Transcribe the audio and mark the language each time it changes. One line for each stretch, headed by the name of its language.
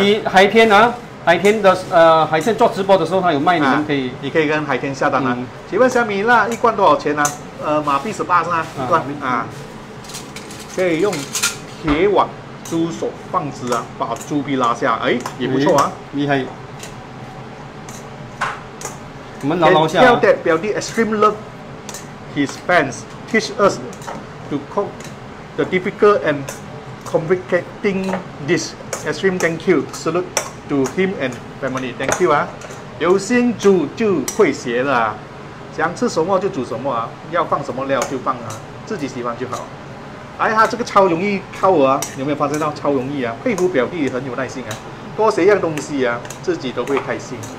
Chinese: 你海天啊，海天的海鲜做直播的时候他有卖，你们可以、啊、你可以跟海天下单啊。请问虾米那一罐多少钱啊？马币18是吗？一罐 啊，可以用铁网猪手放直啊，把猪皮拉下，哎，也不错啊，厉害。我们牢牢下、啊。
English: Tell that 表弟 extreme love his fans teach us to cook the difficult and complicating dish. Extreme thank you, salute to him and family. Thank you
Chinese: 啊，有心煮就会学的、啊，想吃什么就煮什么啊，要放什么料就放啊，自己喜欢就好。哎呀，这个超容易烤啊，你有没有发现到超容易啊？佩服表弟很有耐心啊，多学一样东西啊，自己都会开心。